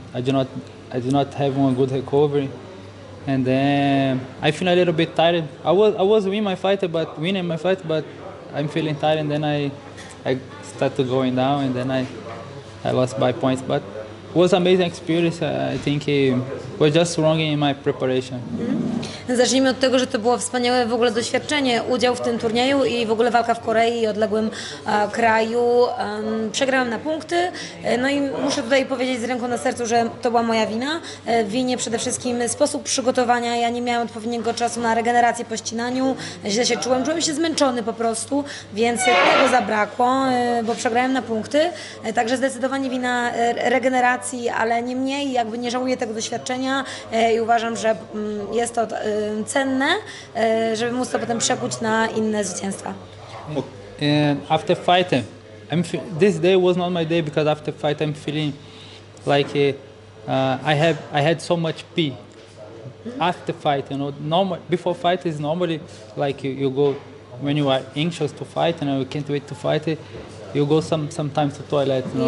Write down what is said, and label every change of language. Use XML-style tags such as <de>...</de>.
<en>I do not have one good recovery. And then I feel a little bit tired. I was winning my fight, but. I'm feeling tired, and then I start to going down, and then I lost by points. But it was amazing experience. I think it was just wrong in my preparation. Mm-hmm.</en> <pl>Zacznijmy od tego, że to było wspaniałe w ogóle doświadczenie, udział w tym turnieju i w ogóle walka w Korei, odległym kraju. Przegrałam na punkty, no i muszę tutaj powiedzieć z ręką na sercu, że to była moja wina. Winie przede wszystkim sposób przygotowania, ja nie miałam odpowiedniego czasu na regenerację po ścinaniu, źle się czułam, czułam się zmęczony po prostu, więc tego zabrakło, bo przegrałem na punkty. Także zdecydowanie wina regeneracji, ale nie mniej, jakby nie żałuję tego doświadczenia i uważam, że jest to cenne, żeby móc to potem przekuć na inne zwycięstwa.</pl> <en>After fight, this day was not my day, because after fight I'm feeling like I had so much pee after fight, you know. Normal, before fight is normally like you go when you are anxious to fight and you know, you can't wait to fight, you go sometimes to toilet, you know.</en>